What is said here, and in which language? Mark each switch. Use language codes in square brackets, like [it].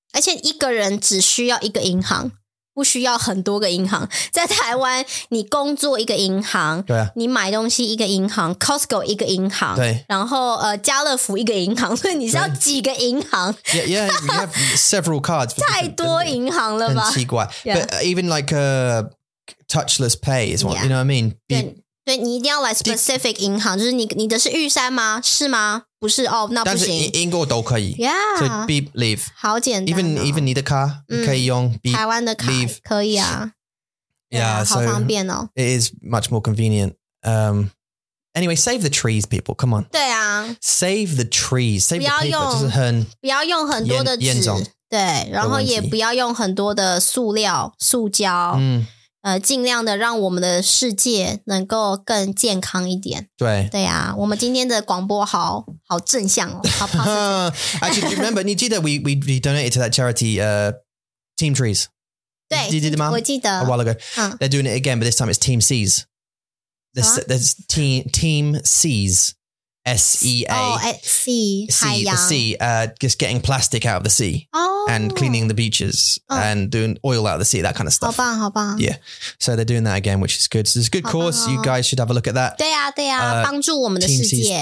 [zh] 而且一个人只需要一个银行，不需要很多个银行。在台湾，你工作一个银行，你买东西一个银行 ，Costco 一个银行，然后家乐福一个银行，所以你是要几个银行？Yeah, [en] yeah, you have several cards. [zh] 太多银行了吧？很奇怪。 [en] But even like a touchless pay is one. You know what I mean? [zh] 对，你一定要来 specific 银行，就是你的是玉山吗？是吗？不是哦，那不行。但是英国都可以。Yeah. [en] So beep, leave. [zh] 好简单哦。 Even 你的卡可以用 [en] beep, leave. [zh] 台湾的卡可以啊。 [en] Yeah, so it is much more convenient. Anyway, save the trees, people. Come on. Save the trees. Save the paper. [zh] 不要用很多的纸。对，然后也不要用很多的塑料、塑胶，嗯，尽量的让我们的世界能够更健康一点。对，对啊，我们今天的广播好好正向哦，好 positive。 [en] Actually, remember, [zh] 你记得 [en] we donated to that charity, Team Trees. [zh] 对，你记得吗？我记得。 [en] A while ago, they're doing it again, but this time it's Team Seas. There's Team Seas. S-E-A. Oh, sea. Sea, the sea. Just getting plastic out of the sea. Oh. And cleaning the beaches. Oh. And doing oil out of the sea, that kind of stuff. [zh] 好棒,好棒。 [en] Yeah. So they're doing that again, which is good. So it's a good course. You guys should have a look at that. [zh] 对啊,对啊,帮助我们的世界。